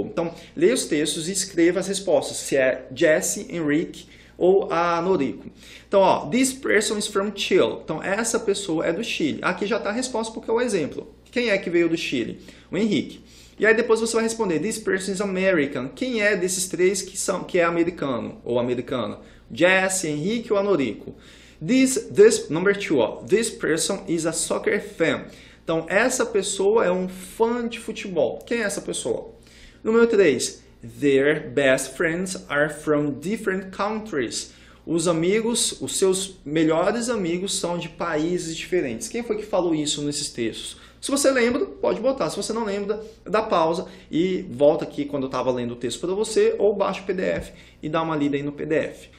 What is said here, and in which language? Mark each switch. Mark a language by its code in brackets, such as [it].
[pt] Então, leia os textos e escreva as respostas, se é Jesse, Enrique ou a Noriko. Então, ó, [en] this person is from Chile. [pt] Então, essa pessoa é do Chile. Aqui já está a resposta porque é o exemplo. Quem é que veio do Chile? O Henrique. E aí depois você vai responder, [en] this person is American. [pt] Quem é desses três que é americano ou americana? Jesse, Enrique ou a Noriko? [en] This number 2, ó, this person is a soccer fan. [pt] Então, essa pessoa é um fã de futebol. Quem é essa pessoa? Número 3. [en] Their best friends are from different countries. [pt] Os amigos, os seus melhores amigos são de países diferentes. Quem foi que falou isso nesses textos? Se você lembra, pode botar. Se você não lembra, dá pausa e volta aqui quando eu estava lendo o texto para você ou baixa o PDF e dá uma lida aí no PDF.